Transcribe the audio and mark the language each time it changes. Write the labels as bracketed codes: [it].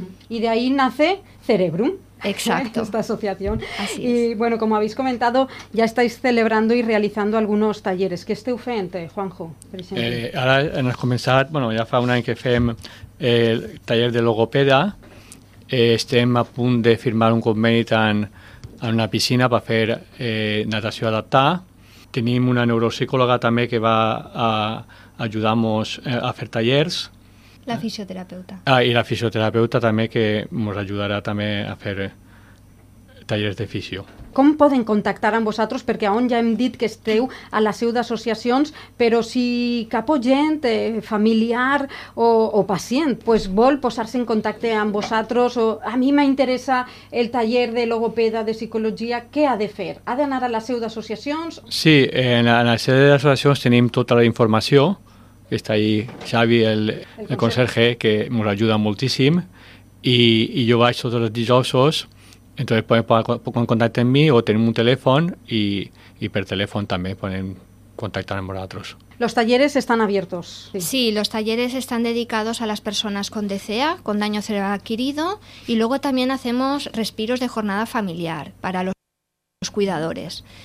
[es] Y de ahí nace Cerebrum. Exacto. Esta asociación. Así es. Y bueno, como habéis comentado, ya estáis celebrando y realizando algunos talleres. ¿Qué es Teufente, Juanjo? Ahora nos comenzamos, bueno, ya fue una vez que fem el taller de logopeda. [ca] Estem a punt de firmar un conveni tan en una piscina per fer natació adaptada. Tenim una neuropsicòloga també que va a ajudar-nos a fer tallers. La fisioterapeuta. I la fisioterapeuta també que ens ajudarà també a fer tallers de fisio. Com poden contactar amb vosaltres? Perquè on ja hem dit que esteu a la seu d'associacions, però si cap oient, familiar o pacient, pues vol posar-se en contacte amb vosaltres, o a mi m'interessa el taller de logopeda, de psicologia, què ha de fer? Ha d'anar a la seu d'associacions? Sí, en la seu d'associacions tenim tota la informació, que està ahí Xavi, el conserge, que ens ajuda moltíssim, i jo vaig tots els dijous. [es] Entonces pueden contactar en mí o tener un teléfono y per teléfono también pueden contactar con nosotros. ¿Los talleres están abiertos? Sí, los talleres están dedicados a las personas con DCA, con daño cerebral adquirido, y luego también hacemos respiros de jornada familiar para los cuidadores.